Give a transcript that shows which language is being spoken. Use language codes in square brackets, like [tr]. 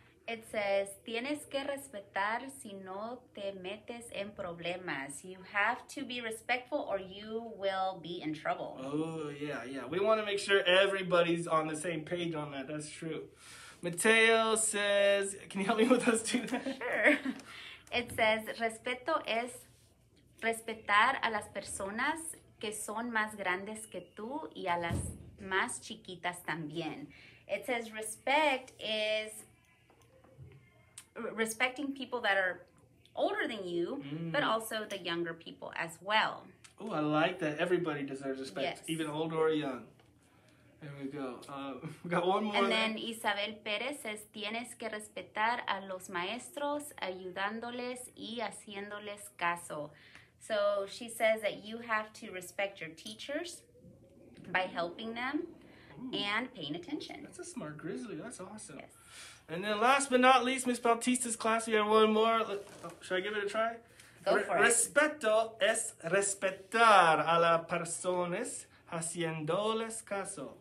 [en] It says, [es] tienes que respetar si no te metes en problemas. [en] You have to be respectful or you will be in trouble. Oh, yeah, yeah. We want to make sure everybody's on the same page on that. That's true. Mateo says, can you help me with those two? Sure. It says, [es] respeto es respetar a las personas que son más grandes que tú y a las más chiquitas también. [en] It says, respect is respecting people that are older than you, but also the younger people as well. Oh, I like that. Everybody deserves respect, yes. Even old or young. There we go. We got one more. And then Isabel Perez says, [es] tienes que respetar a los maestros ayudándoles y haciéndoles caso. [en] So she says that you have to respect your teachers by helping them and paying attention. That's a smart Grizzly. That's awesome. Yes. And then last but not least, Miss Bautista's class, we have one more. Should I give it a try? Go for it. [es] Respeto es respetar a las personas haciéndoles caso.